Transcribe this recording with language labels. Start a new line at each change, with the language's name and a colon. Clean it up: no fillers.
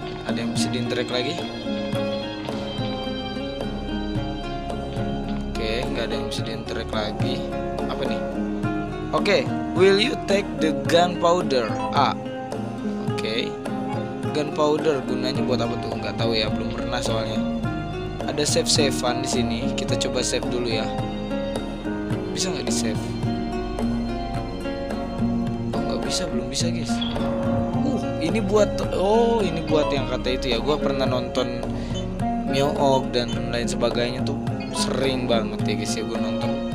Indonesian: Ada yang bisa diinterak lagi? Oke, nggak ada yang bisa diinterak lagi. Apa nih?
English: Oke, will you take the gunpowder?
Indonesian: Oke. Gunpowder gunanya buat apa tuh? Nggak tahu ya, belum pernah soalnya. Ada save-savean di sini. Kita coba save dulu ya. Bisa nggak di save? Oh, nggak bisa. belum bisa guys. Ini buat, oh ini buat yang kata itu ya. Gua pernah nonton Myo-ok dan lain sebagainya tuh sering banget ya guys ya gua nonton.